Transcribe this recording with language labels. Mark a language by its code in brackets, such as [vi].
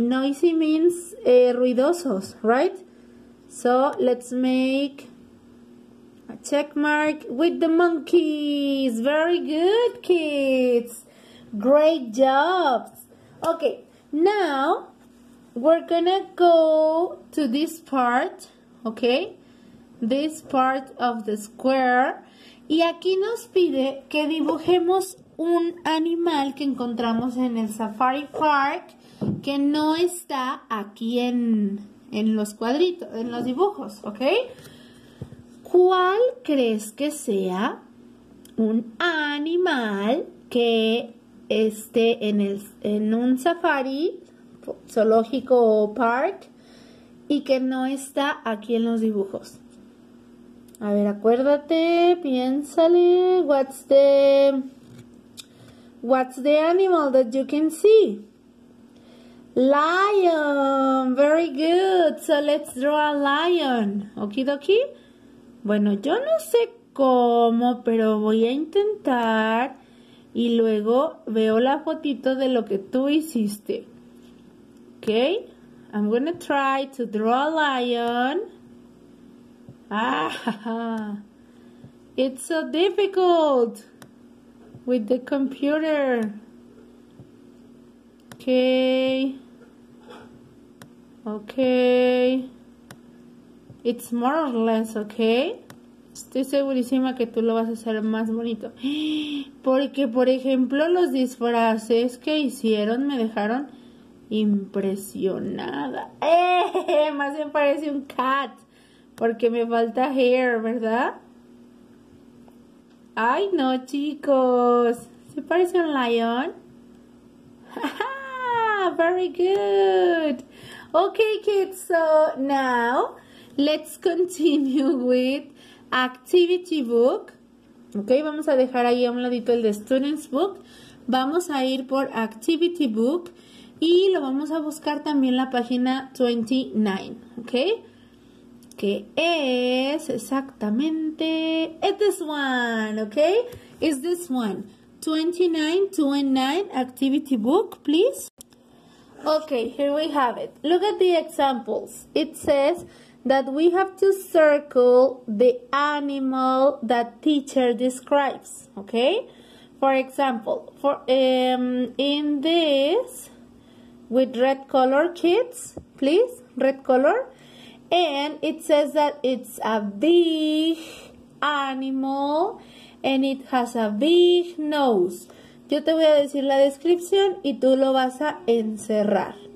[en] Noisy means ruidosos, right? So let's make a check mark with the monkeys. Very good, kids. Great job. Okay, now we're gonna go to this part, okay? This part of the square. [es] Y aquí nos pide que dibujemos un animal que encontramos en el Safari Park que no está aquí en los cuadritos, en los dibujos, ¿ok? ¿Cuál crees que sea un animal que esté en un safari zoológico o park y que no está aquí en los dibujos? A ver, acuérdate, piénsale, [en] what's the animal that you can see? Lion, very good, so let's draw a lion, okie dokie. [es] Bueno, yo no sé cómo, pero voy a intentar y luego veo la fotito de lo que tú hiciste. [en] Okay, I'm gonna try to draw a lion. Ah, it's so difficult with the computer. Okay, it's more or less okay. [es] Estoy segurísima que tú lo vas a hacer más bonito. Porque, por ejemplo, los disfraces que hicieron me dejaron impresionada. Más bien parece un cat. Porque me falta hair, ¿verdad? ¡Ay, no, chicos! ¿Se parece a un lion? [en] ¡Ja, very good! Okay, kids, so now let's continue with activity book. [es] Okay, vamos a dejar ahí a un ladito el de students book. Vamos a ir por activity book y lo vamos a buscar también en la página 29, okay? Que es exactamente [en] this one, okay? It's this one. 29 activity book, please. Okay, here we have it. Look at the examples. It says that we have to circle the animal that teacher describes, okay? For example, in this with red color, kids, please, red color. And it says that it's a big animal and it has a big nose. [es] Yo te voy a decir la descripción y tú lo vas a encerrar.